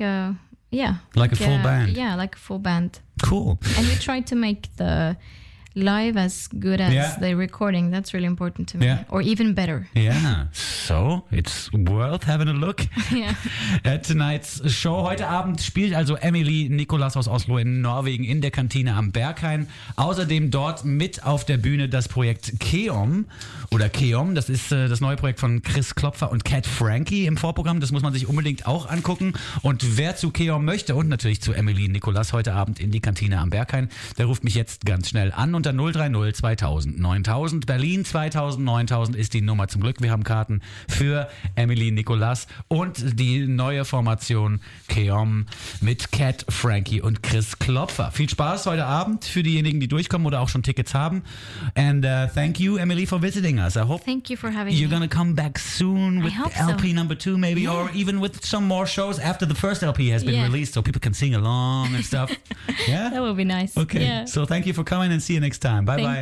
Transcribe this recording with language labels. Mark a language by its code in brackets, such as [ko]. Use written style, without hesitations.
[en] a full band. Yeah, like a full band. Cool. And we try to make the live as good as the recording. That's really important to me. Yeah. Or even better. Yeah. So it's worth having a look at tonight's show. [de] Heute Abend spielt also Emily Nikolas aus Oslo in Norwegen in der Kantine am Berghain. Außerdem dort mit auf der Bühne das Projekt Keom oder Keom. Das ist das neue Projekt von Chris Klopfer und Cat Frankie im Vorprogramm. Das muss man sich unbedingt auch angucken. Und wer zu Keom möchte und natürlich zu Emily Nikolas heute Abend in die Kantine am Berghain, der ruft mich jetzt ganz schnell an unter 030 2000 9000. Berlin 2000 9000 ist die Nummer. Zum Glück, wir haben Karten für Emily Nikolas und die neue Formation Keom mit Cat Frankie und Chris Klopfer. Viel Spaß heute Abend für diejenigen, die durchkommen oder auch schon Tickets haben. [en] And thank you, Emily, for visiting us. I hope thank you for having you're going to come back soon with LP number two, maybe, or even with some more shows after the first LP has been released so people can sing along and stuff. That would be nice. Okay. Yeah. So thank you for coming and see you next time. Bye-bye,